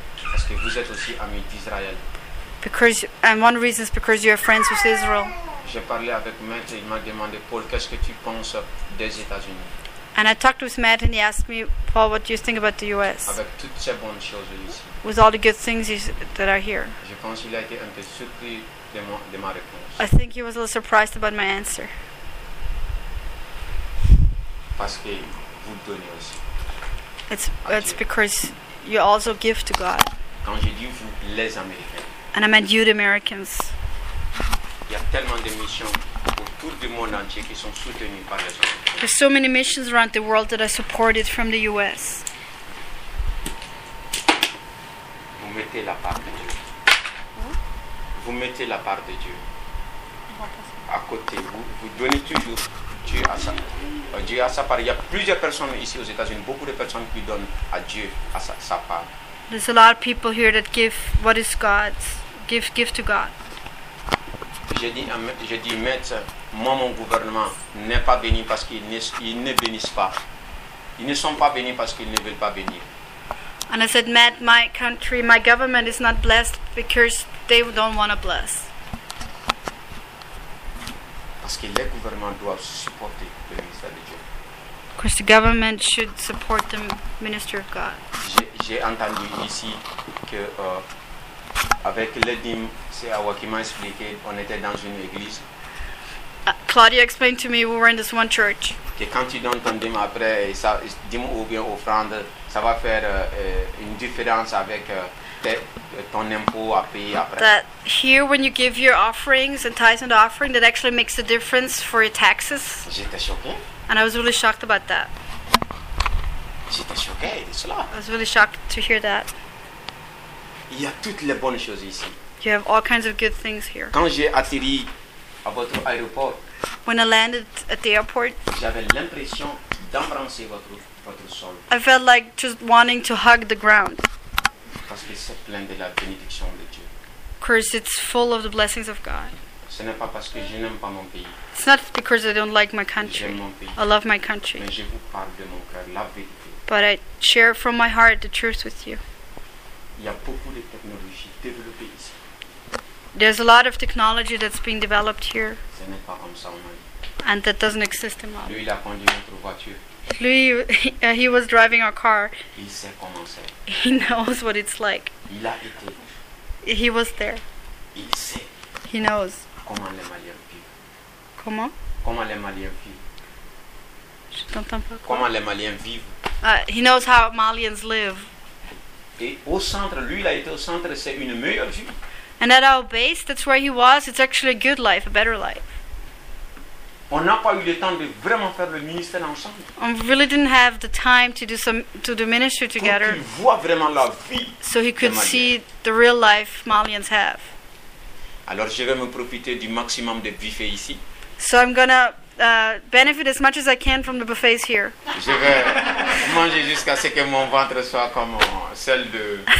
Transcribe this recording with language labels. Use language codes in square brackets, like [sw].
[fr] Parce que vous êtes aussi amis d'Israël. [en] Because, and one reason is because you are friends with Israel. [fr] J'ai parlé avec Matt et il m'a demandé, Paul, qu'est-ce que tu penses des États-Unis? [en] And I talked with Matt and he asked me, Paul, what do you think about the U.S.? [fr] Avec toutes ces bonnes choses ici. [en] With all the good things that are here. [fr] Je pense qu'il a été un peu surpris de ma réponse. [en] I think he was a little surprised about my answer. [fr] Parce que vous donnez aussi. [en] It's because you also give to God. [fr] Quand j'ai dit vous, les Américains. [en] And I meant you, the Americans. [fr] Il y a tellement de missions autour du monde entier qui sont soutenues par les autres. [en] There's so many missions around the world that are supported from the U.S. [fr] Vous mettez la part de Dieu. Vous mettez la part de Dieu. À côté, vous donnez toujours Dieu à sa part. Dieu à sa part. Il y a plusieurs personnes ici aux États-Unis, beaucoup de personnes qui donnent à Dieu à sa part. [en] There's a lot of people here that give what is God's, give to God. [fr] J'ai dit, maître, moi, mon gouvernement n'est pas béni parce qu'ils ne bénissent pas. Ils ne sont pas bénis parce qu'ils ne veulent pas bénir. [en] And I said, Matt, my country, my government is not blessed because they don't want to bless. [fr] Parce que les gouvernements doivent supporter le ministère de Dieu. [en] Because the government should support the minister of God. [fr] J'ai entendu ici que... avec Ledim, c'est Awa qui m'a expliqué, on était dans une église. [en] Claudia explained to me we were in this one church. [fr] Que quand tu donnes ton dîme après, ça, dîme ou bien offrande, ça va faire une différence avec ton impôt à payer après. [en] That here when you give your offerings and tithes and offering, that actually makes a difference for your taxes. [fr] J'étais choqué. [en] And I was really shocked about that. [fr] J'étais choqué, cela. [en] I was really shocked to hear that. [fr] Il y a toutes les bonnes choses ici. [en] You have all kinds of good things here. [fr] Quand j'ai atterri à votre aéroport, [en] when I landed at the airport, [fr] j'avais l'impression d'embrasser votre sol. [en] I felt like just wanting to hug the ground. [fr] Parce que c'est plein de la bénédiction de Dieu. [en] Because it's full of the blessings of God. [fr] Ce n'est pas parce que je n'aime pas mon pays. [en] It's not because I don't like my country. [fr] J'aime mon pays. [en] I love my country. [fr] Mais je vous parle de mon cœur, la vérité. [en] But I share from my heart the truth with you. [fr] Il y a beaucoup de technologies développées ici. [en] There's a lot of technology that's being developed here. [fr] Ce n'est pas comme ça en Mali. [en] And that doesn't exist in Mali. [fr] Lui, il a conduit notre voiture. [en] Lui, he was driving our car. [fr] Il sait comment c'est. [en] He knows what it's like. [fr] Il a été. [en] He was there. [fr] Il sait. [en] He knows. [fr] Comment les Maliens vivent. Comment? Comment les Maliens vivent. Je t'entends pas. Comment les Maliens vivent. [en] He knows how Malians live. [fr] Et au centre, lui, il a été au centre, c'est une meilleure vie. [en] And at our base, that's where he was, it's actually a good life, a better life. [fr] On n'a pas eu le temps de vraiment faire le ministère ensemble. [en] We really didn't have the time to do ministry together. [fr] Pour qu'il voit vraiment la vie. [en] So he could see the real life Malians have. [fr] Alors je vais me profiter du maximum de buffets ici. [en] So I'm gonna benefit as much as I can from the buffets here. [fr] Je vais manger jusqu'à ce que mon ventre soit comme celle de...